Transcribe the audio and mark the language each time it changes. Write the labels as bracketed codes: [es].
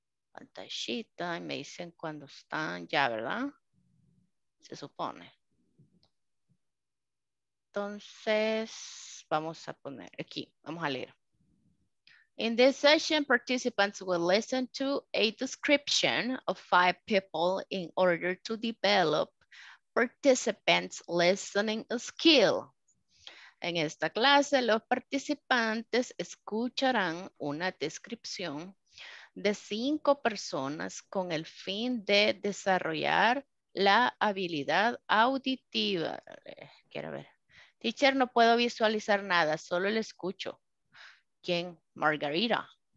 [es] Pantallita, y me dicen cuando están ya, ¿verdad? Se supone. Entonces, vamos a poner aquí, vamos a leer. [en] In this session, participants will listen to a description of five people in order to develop participants' listening skill. [es] En esta clase, los participantes escucharán una descripción de cinco personas con el fin de desarrollar la habilidad auditiva. Quiero ver. Teacher, no puedo visualizar nada, solo le escucho. ¿Quién? Margarita.